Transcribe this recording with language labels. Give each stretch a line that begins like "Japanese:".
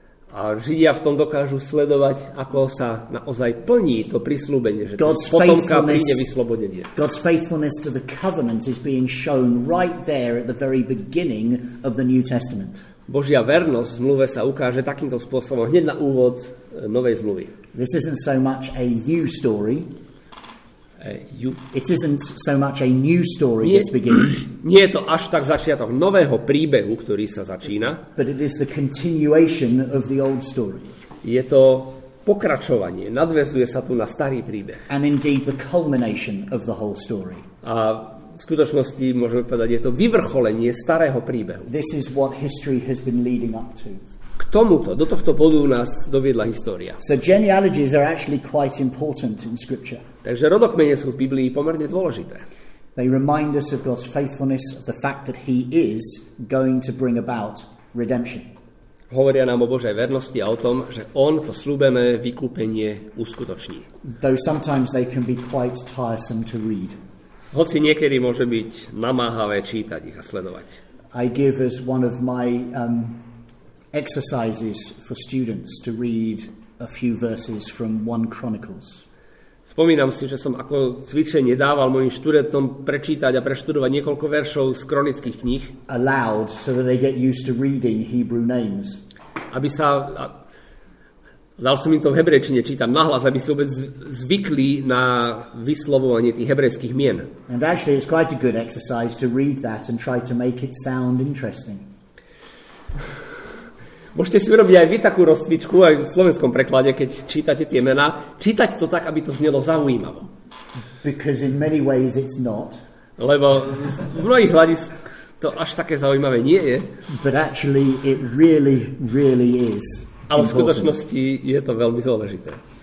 Slovak: A Židia v tom dokážu sledovať, ako sa naozaj plní to prisľúbenie, že
English: God's
Slovak: potomka príde vyslobodenie.
English: God's faithfulness to the covenant is being shown right there at the very beginning of the New Testament.
Slovak: Božia vernosť v zmluve sa ukáže takýmto spôsobom hneď na úvod Novej zmluvy.
English: This isn't so much a new story. It isn't so much a new story that's beginning.
Slovak: Nie je to až tak začiatok nového príbehu, ktorý sa začína.
English: But it is the continuation of the old story.
Slovak: Je to pokračovanie, nadväzuje sa tu na starý príbeh.
English: And indeed the culmination of the whole story.
Slovak: A v skutočnosti môžeme povedať, je to vyvrcholenie starého príbehu.
English: This is what history has been leading up to.
Slovak: K tomuto, do tohto bodu nás doviedla história.
English: So genealogies are actually quite important in scripture.
Slovak: Takže rodokmene sú v Biblii pomerne dôležité.
English: They remind us of God's faithfulness, of the fact that he is going to bring about redemption.
Slovak: Hovoria nám o Božej vernosti a o tom, že on to slúbené vykúpenie uskutoční.
English: Though sometimes they can be quite tiresome to read.
Slovak: Hoci niekedy môže byť namáhavé čítať ich a sledovať.
English: I give as one of my exercises for students to read a few verses from 1 Chronicles.
Slovak: Spomínam si, že som ako cvičenie dával mojim študentom prečítať a preštudovať niekoľko veršov z kronických kníh.
English: Aloud, so that they get used to reading Hebrew names.
Slovak: Aby sa... Dal som im to v hebrejčine, čítam nahlas, aby si vôbec zvykli na vyslovovanie tých hebrejských mien.
English: And actually it's quite a good exercise to read that and try to make it sound interesting.
Slovak: Môžete si urobiť aj vy takú rozcvičku, aj v slovenskom preklade, keď čítate tie mená. Čítať to tak, aby to znelo zaujímavo.
English: Because in many ways it's not.
Slovak: Lebo v mnohých hľadisk to až také zaujímavé nie je.
English: But actually it really, really is.
Slovak: Ale v skutočnosti je to veľmi dôležité.